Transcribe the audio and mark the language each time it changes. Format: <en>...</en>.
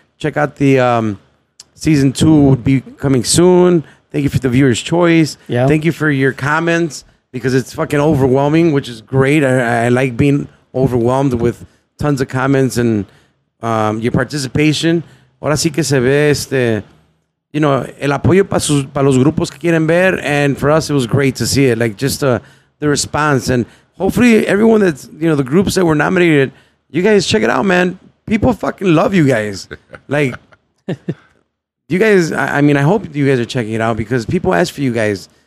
<en>Check out the season two would be coming soon. Thank you for the viewer's choice. Yeah. Thank you for your comments because it's fucking overwhelming, which is great. I like being overwhelmed with tons of comments and your participation.</en> <es>Ahora sí que se ve el apoyo para los grupos que quieren ver.</es> <en>And for us, it was great to see it. Like, just the response. And hopefully everyone the groups that were nominated, you guys check it out, man. People fucking love you guys. Like, you guys, I hope you guys are checking it out because people ask for you guys.</en>